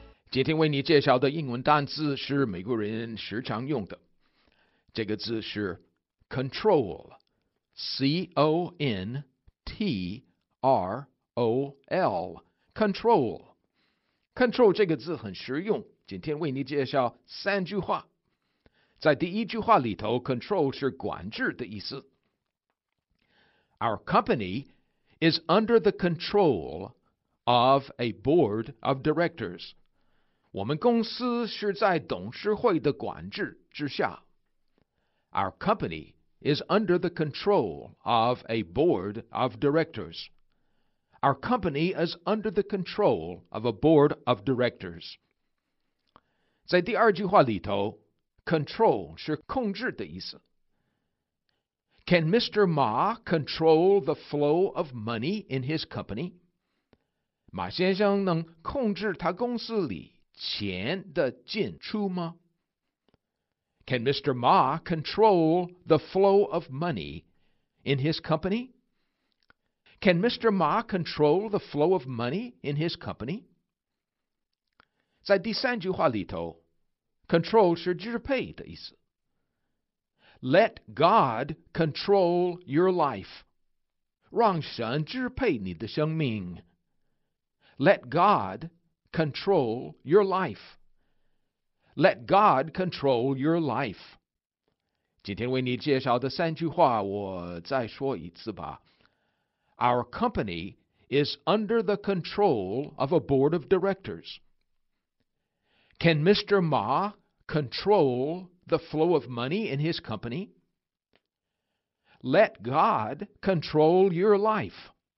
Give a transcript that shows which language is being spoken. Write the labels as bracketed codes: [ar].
[zh] 今天为你介绍的英文单词是美国人时常用的，这个字是 control， C-O-N-T-R-O-L， control。 control 这个字很实用，今天为你介绍三句话。在第一句话里头， control 是管制的意思。 [en] Our company is under the control of a board of directors。 [zh] 我们公司是在董事会的管制之下。 [en] Our company is under the control of a board of directors. Our company is under the control of a board of directors. [zh] 在第二句话里头， control 是控制的意思。 [en] Can Mr. Ma control the flow of money in his company? [zh] 马先生能控制他公司里钱的进出吗？ [en] Can Mr. Ma control the flow of money in his company? Can Mr. Ma control the flow of money in his company? [zh] 在第三句话里头， control 是支配的意思。 [en] Let God control your life， [zh] 让神支配你的生命。 [en] Let GodControl your life. Let God control your life. [zh] 今天为你介绍的三句话我再说一次吧。 [en] Our company is under the control of a board of directors. Can Mr. Ma control the flow of money in his company? Let God control your life.